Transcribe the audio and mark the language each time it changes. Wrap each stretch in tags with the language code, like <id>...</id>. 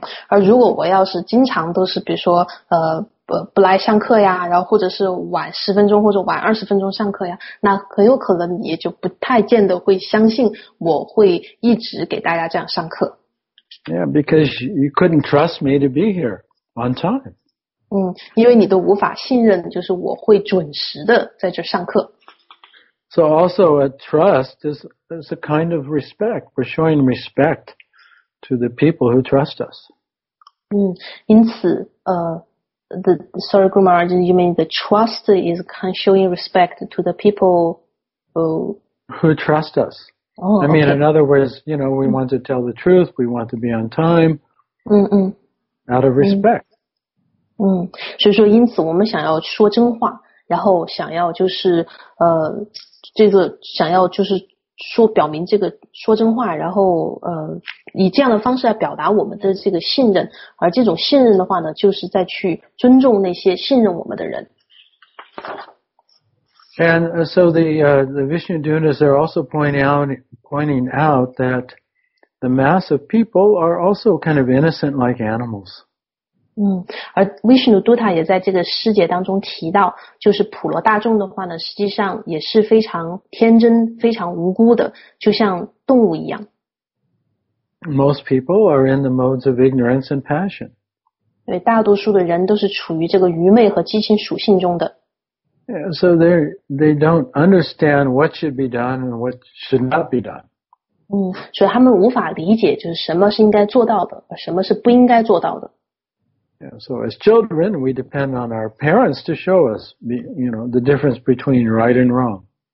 <zh>而如果我要是经常都是比如说不来上课呀，然后或者是晚十分钟或者晚二十分钟上课呀，那很有可能你也就不太见得会相信我会一直给大家这样上课。</zh> <en>Yeah, because you couldn't trust me to be here on time.</en> <zh>因为你都无法信任就是我会准时的在这上课。</zh> <en>So also a trust is a kind of respect. We're showing respect to the people who trust us.</en> <zh>因此</zh> <en>you mean the trust is kind of showing respect to the people who trust us. Oh, I mean, okay. In other words, you know, we want to tell the truth, we want to be on time, out of respect.</en> <zh>所以说因此我们想要说真话，然后想要就是这个想要就是说表明这个说真话，然后以这样的方式来表达我们的这个信任，而这种信任的话呢，就是在去尊重那些信任我们的人。</zh> <en>And so the Vishnudunas are also pointing out that the mass of people are also kind of innocent like animals.</en> <zh>而 Vishnuduta 也在这个师节当中提到，就是普罗大众的话呢，实际上也是非常天真、非常无辜的，就像动物一样。</zh> <en>Most people are in the modes of ignorance and passion.</en> <zh>对，大多数的人都是处于这个愚昧和激情属性中的。</zh> <en>Yeah, so they don't understand what should be done and what should not be done.</en> <zh>所以他们无法理解就是什么是应该做到的，什么是不应该做到的。</zh> <en>Yeah, so as children, we depend on our parents to show us, the difference between right and wrong.</en>